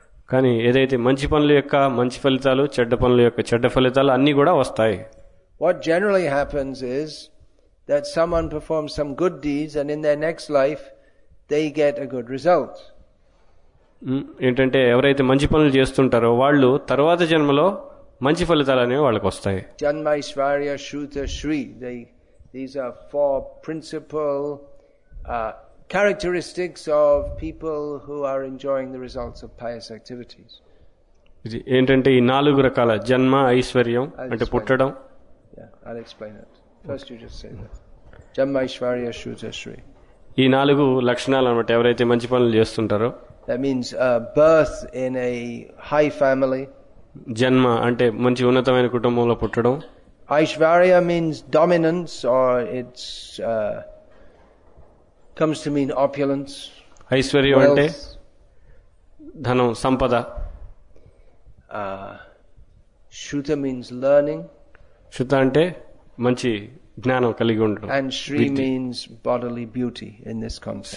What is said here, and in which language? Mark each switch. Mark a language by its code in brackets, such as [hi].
[te] కానీ ఏదైతే మంచి పనుల యొక్క మంచి ఫలితాలు, చెడ్డ పనుల యొక్క చెడ్డ ఫలితాలు అన్ని కూడా వస్తాయి. [en] What generally happens is that someone performs some good deeds and in their next life they get a good result. [te] ఏంటంటే ఎవరైతే మంచి పనులు చేస్తుంటారో వాళ్ళు తర్వాత జన్మలో మంచి ఫలితాలు అనేవి వాళ్ళకి వస్తాయి. [en] జన్మ ఐశ్వర్య శ్రుత శ్రీ these are four principal characteristics of people who are enjoying the results of pious activities. [te] ఇది ఏంటంటే ఈ నాలుగు రకాల జన్మ ఐశ్వర్యం అంటే పుట్టడం. [en] Yeah, I'll explain it. First you just say that. జన్మ ఐశ్వర్య శ్రుత శ్రీ. [te] ఈ నాలుగు లక్షణాలు అన్నమాట ఎవరైతే మంచి పనులు చేస్తుంటారో. [en] That means birth in a high family. [te] జన్మ అంటే మంచి ఉన్నతమైన కుటుంబంలో పుట్టడం. [en] Aishwarya means dominance or it's comes to mean opulence. [te] Aishwarya ante dhanam sampada. [en] Shruta means learning. [te] Shruta ante manchi జ్ఞానం కలిగి ఉండడం. [en] And Shri means bodily beauty in this context.